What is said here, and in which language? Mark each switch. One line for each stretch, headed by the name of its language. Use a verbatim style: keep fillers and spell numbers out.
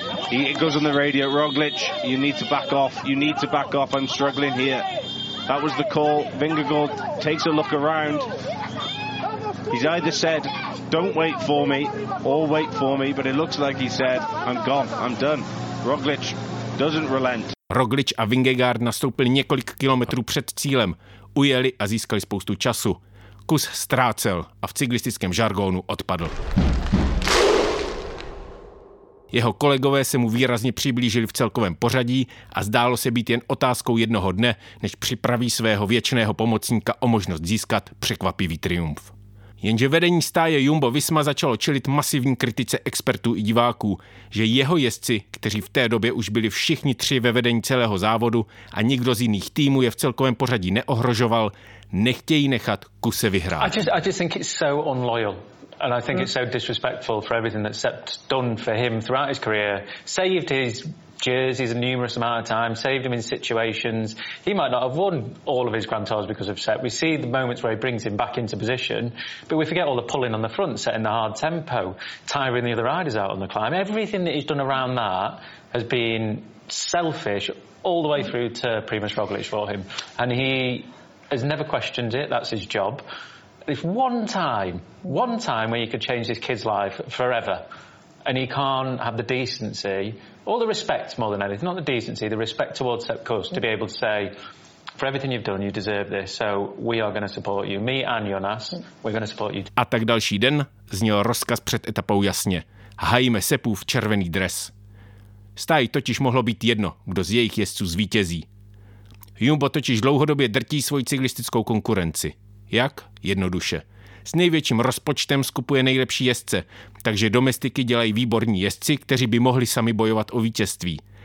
English: He, it goes on the radio, Roglič, you need to back off, you need to back off, I'm struggling here. That was the call. Vingegaard takes a look around. He's either said, don't wait for me, or wait for me, but it looks like he said, I'm gone, I'm done. Roglič doesn't relent.
Czech: Roglič a Vingegaard nastoupili několik kilometrů před cílem, ujeli a získali spoustu času. Kus ztrácel a v cyklistickém žargonu odpadl. Jeho kolegové se mu výrazně přiblížili v celkovém pořadí a zdálo se být jen otázkou jednoho dne, než připraví svého věčného pomocníka o možnost získat překvapivý triumf. Jenže vedení stáje Jumbo Visma začalo čelit masivní kritice expertů i diváků, že jeho jezdci, kteří v té době už byli všichni tři ve vedení celého závodu a nikdo z jiných týmů je v celkovém pořadí neohrožoval, nechtějí nechat Kuse vyhrát.
English: I just, I just think it's so unloyal. And I think it's so disrespectful for everything that's done for him throughout his career. Saved his jerseys a numerous amount of times, saved him in situations. He might not have won all of his Grand Tours because of Sep. We see the moments where he brings him back into position, but we forget all the pulling on the front, setting the hard tempo, tiring the other riders out on the climb. Everything that he's done around that has been selfish all the way through to Primož Roglič for him. And he has never questioned it, that's his job. There's one time, one time where you could change this kid's life forever and he can't have the decency, or the respect more than anything, not the decency, the respect towards Sepp Kuss to be able to say, for everything you've done, you deserve this, so we are going to support you. Me and Jonas, we're going to support you.
Czech: A tak další den zněl rozkaz před etapou jasně. Hajíme Sepův červený dres. Stáji totiž mohlo být jedno, kdo z jejich jezdců zvítězí. Jumbo totiž dlouhodobě drtí svoji cyklistickou konkurenci. Jak? Jednoduše. S největším rozpočtem skupuje nejlepší jezdce, takže domestiky dělají výborní jezdci, kteří by mohli sami bojovat o vítězství.